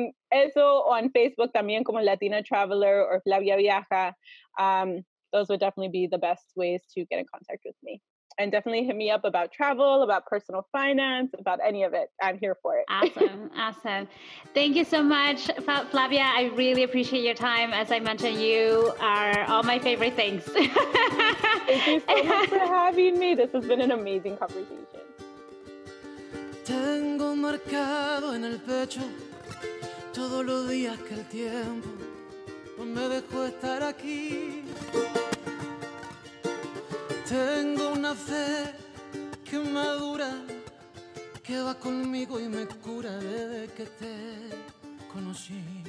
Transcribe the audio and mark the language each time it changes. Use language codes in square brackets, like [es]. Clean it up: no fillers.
[es] Eso, o en Facebook también como Latino Traveler o Flavia Viaja. [en] Those would definitely be the best ways to get in contact with me. And definitely hit me up about travel, about personal finance, about any of it. I'm here for it. Awesome. Thank you so much, Flavia. I really appreciate your time. As I mentioned, you are all my favorite things. Thank you so much for having me. This has been an amazing conversation. [es] Tengo marcado en el pecho todos los días que el tiempo me dejó estar aquí. Tengo una fe que madura, que va conmigo y me cura desde que te conocí.